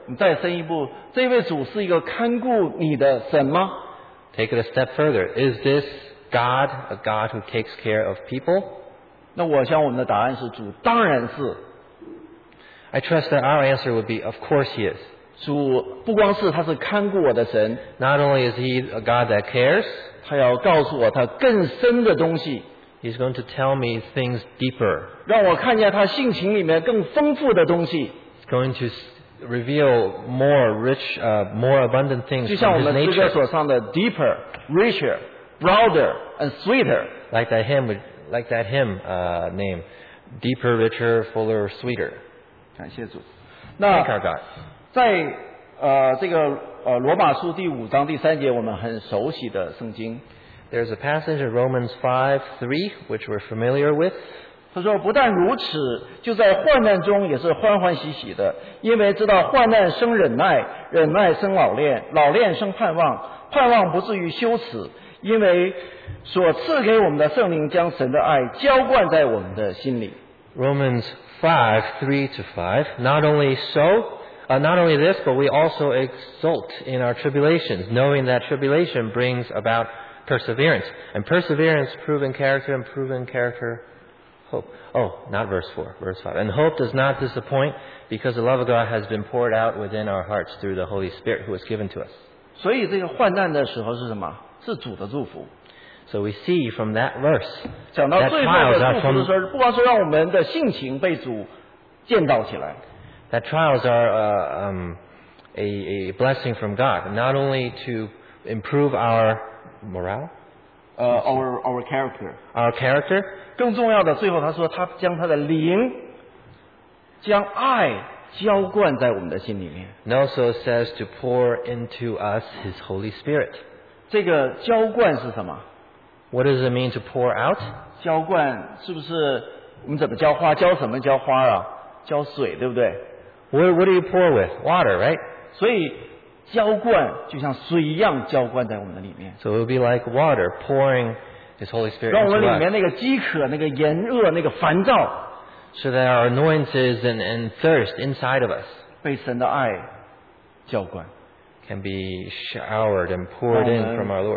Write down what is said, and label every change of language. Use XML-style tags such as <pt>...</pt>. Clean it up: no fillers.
<zh>再深一步，这位主是一个看顾你的神吗？</zh> <en>Take it a step further. Is this God a God who takes care of people?</en> <zh>那我想我们的答案是主当然是。</zh> <en>I trust that our answer would be, of course he is.</en> <zh>主不光是他是看顾我的神，</zh> <en>Not only is he a God that cares,</en> <zh>他要告诉我他更深的东西。</zh> <en>He's going to tell me things deeper.</en> <zh>让我看见他性情里面更丰富的东西。</zh> <en>Going to reveal more rich, more abundant things from his nature.</en> <zh>就像我们诗歌所唱的</zh> <en>deeper, richer, broader, and sweeter. Like that hymn, name, deeper, richer, fuller, sweeter.</en> <zh>感谢主。</zh> <en>Thank our God.</en> <zh>在这个罗马书第五章第三节，我们很熟悉的圣经。</zh> <en>There's a passage in Romans 5:3 which we're familiar with. 他说不但如此，就在患难中也是欢欢喜喜的，因为知道患难生忍耐，忍耐生老练，老练生盼望，盼望不至于羞耻，因为所赐给我们的圣灵将神的爱浇灌在我们的心里。 Romans 5:3-5 not only this, but we also exult in our tribulations, knowing that tribulation brings about perseverance, and perseverance proven character, and proven character hope. Oh, not verse 4, verse 5. And hope does not disappoint, because the love of God has been poured out within our hearts through the Holy Spirit who was given to us.</en> <zh>所以这个患难的时候是什么？是主的祝福。</zh> <en>So we see from that verse,</en> <zh>讲到最后的祝福的时候，不光是让我们的性情被主建造起来。</zh> <en>That trials are a blessing from God, not only to improve our morale, our character. Our character.</en> <zh>更重要的，最后他说他将他的灵，将爱浇灌在我们的心里面。</zh> <en>And also says to pour into us His Holy Spirit.</en> <zh>这个浇灌是什么？</zh> <en>What does it mean to pour out?</en> <zh>浇灌是不是我们怎么浇花？浇什么浇花啊？浇水，对不对？</zh> <en>What do you pour with? Water, right?</en> <zh>所以浇灌就像水一样浇灌在我们的里面。</zh> <en>So it will be like water pouring His Holy Spirit into us.</en> <zh>让我们里面那个饥渴、那个炎热、那个烦躁。</zh> <en>So that our annoyances and thirst inside of us.</en> <zh>被神的爱浇灌。</zh> <en>Can be showered and poured in from our Lord.</en>